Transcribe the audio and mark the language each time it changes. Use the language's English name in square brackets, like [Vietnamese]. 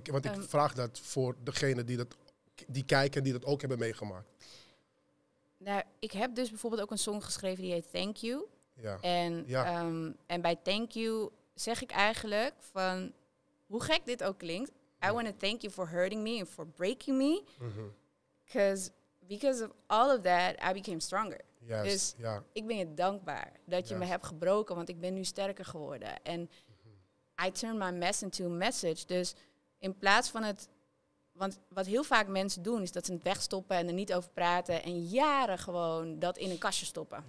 [Dutch] Want ik vraag dat voor degene die kijken, die dat ook hebben meegemaakt. Nou, ik heb dus bijvoorbeeld ook een song geschreven die heet Thank You. Ja. En, ja. En bij Thank You zeg ik eigenlijk van, hoe gek dit ook klinkt, ja, I want to thank you for hurting me and for breaking me. Mm-hmm. [English] Because of all of that, I became stronger. Yes. [Dutch] Dus ja, ik ben je dankbaar dat je, yes, me hebt gebroken, want ik ben nu sterker geworden. En mm-hmm, I turn my mess into a message. Dus in plaats van het... Want wat heel vaak mensen doen, is dat ze het wegstoppen en er niet over praten. En jaren gewoon dat in een kastje stoppen.